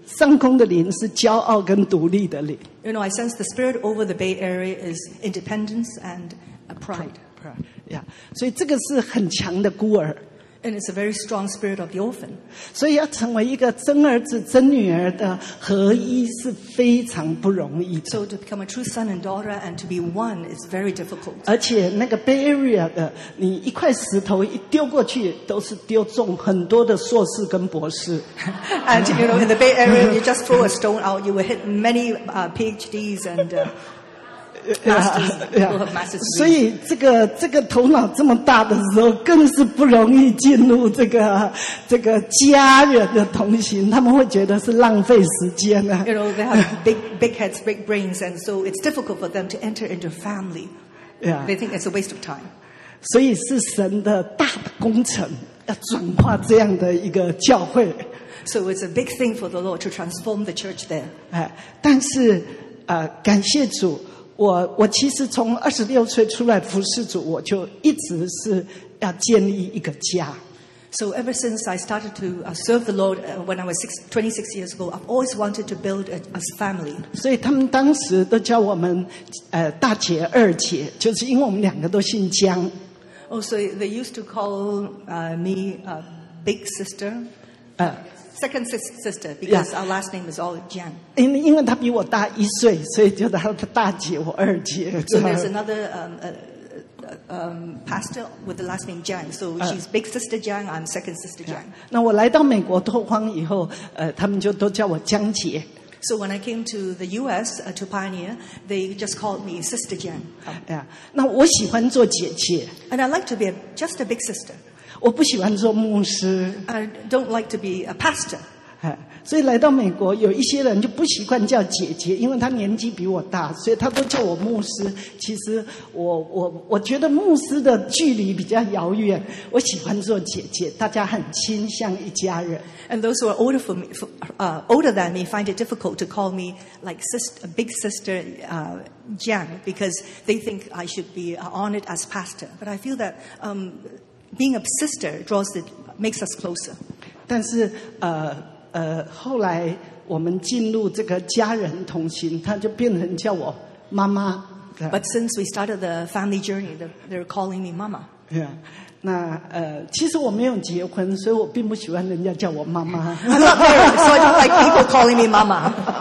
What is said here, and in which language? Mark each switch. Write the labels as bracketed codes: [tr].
[zh] 上空的灵是骄傲跟独立的灵。 [en] You know, I sense the spirit over the Bay Area is independence and pride. Yeah. [zh] 所以这个是很强的孤儿。 [en] And it's a very strong spirit of the orphan. [zh] 所以要成为一个真儿子、真女儿的合一是非常不容易的。 [en] So to become a true son and daughter and to be one is very difficult. [zh] 而且那个 Bay Area 的，你一块石头一丢过去，都是丢中很多的硕士跟博士。 [en] And you know, in the Bay Area, you just throw a stone out, you will hit many PhDs and. Masters, [zh] yeah, yeah. 所以这个头脑这么大的时候，更是不容易进入这个家人的同行，他们会觉得是浪费时间啊。 [en] You know, they have big heads, big brains, and so it's difficult for them to enter into family. Yeah, they think it's a waste of time. [zh] 所以是神的大的工程，要转化这样的一个教会。 [en] So it's a big thing for the Lord to transform the church there. [zh] 但是感谢主。我其实从26岁出来服侍主，我就一直是要建立一个家。 [en] So ever since I started to serve the Lord when I was 26 years ago, I've always wanted to build a family. [zh] 所以他们当时都叫我们大姐二姐，就是因为我们两个都姓姜。 [en] Oh, so they used to call me a big sister. Second sister, because our last name is all Jiang. [zh] 因为他比我大一岁，所以就他是大姐，我二姐。 [en] So there's another pastor with the last name Jiang. So she's big sister Jiang. I'm second sister Jiang. [zh] 那我来到美国拓荒以后，他们就都叫我姜姐。 [en] So when I came to the U.S. To pioneer, they just called me Sister Jiang. [zh] Yeah. 那我喜欢做姐姐。 [en] And I like to be just a big sister. [zh] 我不喜欢做牧师。 [en] I don't like to be a pastor. [zh] 所以来到美国，有一些人就不习惯叫姐姐，因为她年纪比我大，所以她都叫我牧师。其实我觉得牧师的距离比较遥远，我喜欢做姐姐，大家很亲，像一家人。 [en] And those who are older for me, older than me, find it difficult to call me like sister, big sister, Jiang, because they think I should be honored as pastor. But I feel that. Being a sister draws it makes us closer. [zh] 但是后来我们进入这个家人同行，他就变成叫我妈妈。 [en] But since we started the family journey, they're calling me mama. Yeah. [zh] 那其实我没有结婚，所以我并不喜欢人家叫我妈妈。 [en] I'm not married, so I don't like people calling me mama.